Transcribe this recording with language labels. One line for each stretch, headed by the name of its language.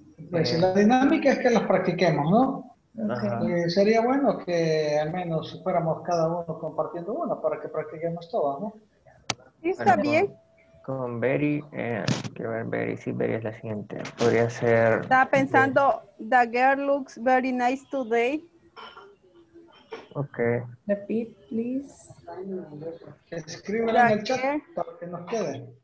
Spanish: Pues la dinámica es que las practiquemos, ¿no? Okay. Sería bueno que al menos fuéramos cada uno compartiendo una para que practiquemos todas, ¿no? Sí, está bien. Con Berry, que ver Berry, sí, Berry es la siguiente. Podría ser... Estaba pensando,
English: the girl looks very nice today. Ok. Repeat, please.
Spanish: Escríbela en el chat para que nos quede.